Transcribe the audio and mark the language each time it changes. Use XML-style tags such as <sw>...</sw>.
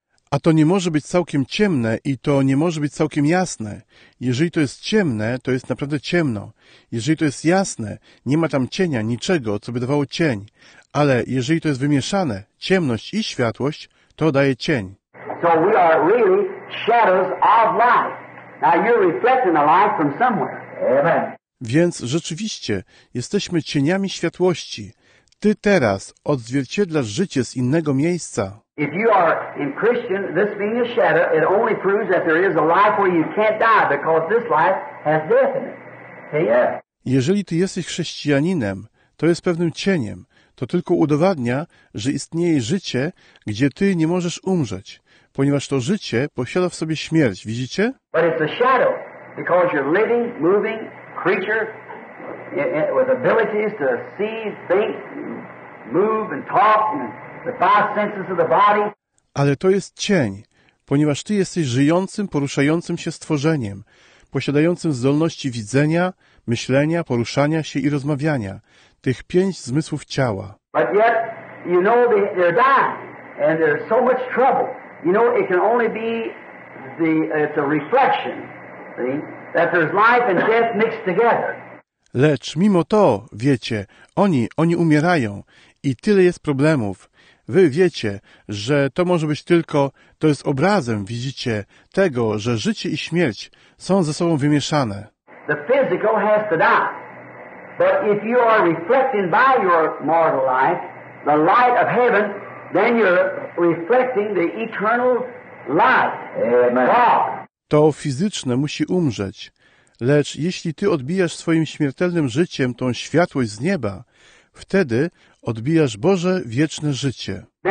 <pl>A to nie może być całkiem ciemne i to nie może być całkiem jasne. Jeżeli to jest ciemne, to jest naprawdę ciemno. Jeżeli to jest jasne, nie ma tam cienia, niczego, co by dawało cień. Ale jeżeli to jest wymieszane, ciemność i światłość, to daje cień.</pl> <en>So we are really shadows of life. Now you're reflecting the light from somewhere. Amen.</en> <pl>Więc rzeczywiście jesteśmy cieniami światłości. Ty teraz odzwierciedlasz życie z innego miejsca.</pl> <en>If you are in Christian, this being a shadow, it only proves that there is a life where you can't die because this life has death in it. See? Yeah.</en> <pl>Jeżeli ty jesteś chrześcijaninem, to jest pewnym cieniem. To tylko udowadnia, że istnieje życie, gdzie ty nie możesz umrzeć, ponieważ to życie posiada w sobie śmierć. Widzicie?</pl> <en>But it's a shadow, because you're living, moving creature with abilities to see, think, move and talk and the five senses of the body.</en> <pl>Ale to jest cień, ponieważ ty jesteś żyjącym, poruszającym się stworzeniem, posiadającym zdolności widzenia, myślenia, poruszania się i rozmawiania, tych pięć zmysłów ciała.</pl> <en>But yet, you know, they're dying, and there's so much trouble. You know, it can only be the, it's a reflection, see, that there's life and death mixed together.</en> <pl>Lecz mimo to, wiecie, oni umierają i tyle jest problemów. Wy wiecie, że to może być tylko, to jest obrazem, widzicie, tego, że życie i śmierć są ze sobą wymieszane.</pl> <en>The physical has to die. But if you are reflecting by your mortal life, the light of heaven, then you're reflecting the eternal light. Amen.</en> <pl>To fizyczne musi umrzeć. Lecz jeśli ty odbijasz swoim śmiertelnym życiem tą światłość z nieba, wtedy odbijasz Boże wieczne życie.</pl>